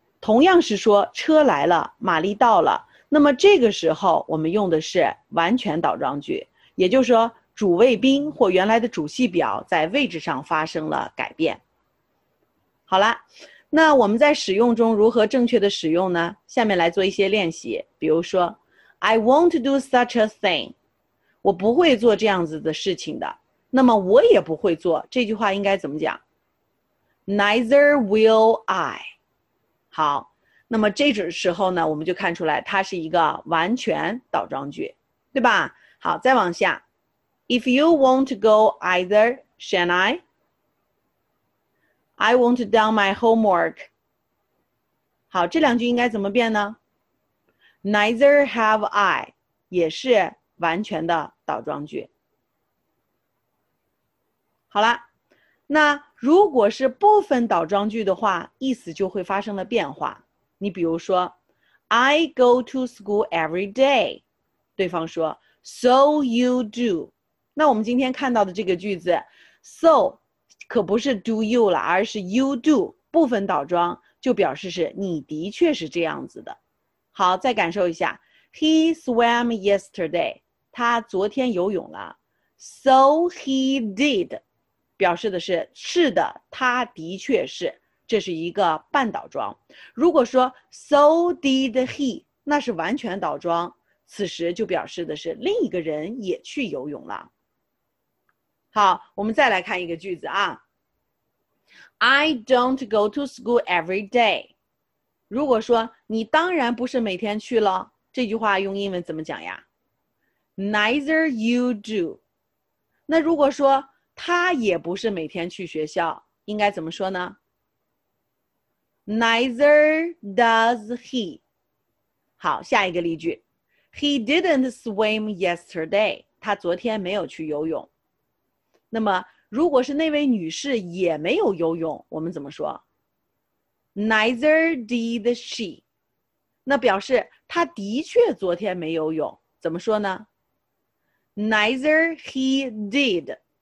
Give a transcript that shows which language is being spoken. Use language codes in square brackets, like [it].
[zh] 同样是说车来了，玛丽到了。那么这个时候我们用的是完全倒装句，也就是说主谓宾或原来的主系表在位置上发生了改变。好了，那我们在使用中如何正确的使用呢？下面来做一些练习。比如说 [en] I won't do such a thing. [zh] 我不会做这样子的事情的。那么我也不会做，这句话应该怎么讲？ [en] Neither will I. [zh] 好，那么这种时候呢，我们就看出来它是一个完全倒装句，对吧？好，再往下。 [en] If you won't go either, shall I? I won't do my homework. [zh] 好，这两句应该怎么变呢？ [en] Neither have I. [zh] 也是完全的倒装句。好了，那如果是部分倒装句的话，意思就会发生了变化。你比如说 [en] I go to school every day， [zh] 对方说 [en] So you do。 [zh] 那我们今天看到的这个句子 So 可不是 [en] do you [zh] 了，而是 [en] you do， [zh] 部分倒装就表示是你的确是这样子的。好，再感受一下 [en] He swam yesterday， [zh] 他昨天游泳了。 [en] So he did [zh] 表示的是是的，他的确是，这是一个半倒装。如果说 [en] So did he， [zh] 那是完全倒装，此时就表示的是另一个人也去游泳了。好，我们再来看一个句子啊。 [en] I don't go to school every day。 [zh] 如果说你当然不是每天去了，这句话用英文怎么讲呀？ [en] Neither you do。 [zh] 那如果说他也不是每天去学校，应该怎么说呢？ [en] Neither does he。 [zh] 好，下一个例句， [en] He didn't swim yesterday。 [zh] 他昨天没有去游泳。那么如果是那位女士也没有游泳，我们怎么说？ [en] Neither did she。 [zh] 那表示她的确昨天没游泳，怎么说呢？ [en] Neither he did。